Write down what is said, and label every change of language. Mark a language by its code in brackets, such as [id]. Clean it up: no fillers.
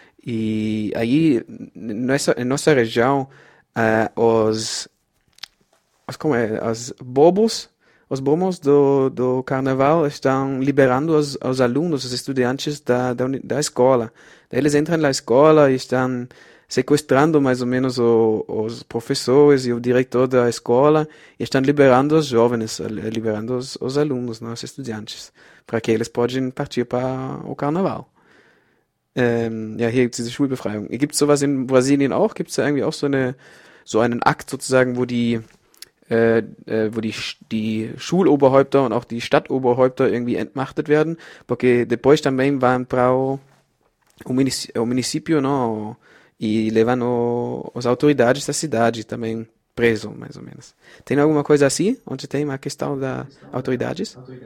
[pt] E aí, nessa região, os bobos do carnaval estão liberando os alunos, os estudantes da escola. Daí eles entram na escola e estão sequestrando mais ou menos os professores e o diretor da escola e estão liberando os jovens, liberando os alunos, né, os estudantes, para que eles possam partir para o carnaval. [de] Ja, hier gibt es diese Schulbefreiung. Gibt es sowas in Brasilien auch? Gibt es da irgendwie auch so einen Akt sozusagen, wo die Schuloberhäupter und auch die Stadtoberhäupter irgendwie entmachtet werden? [pt] Porque depois também vão para o município, não? E levam as autoridades da cidade também preso, mais ou menos. Tem alguma coisa assim, onde tem uma questão das autoridades?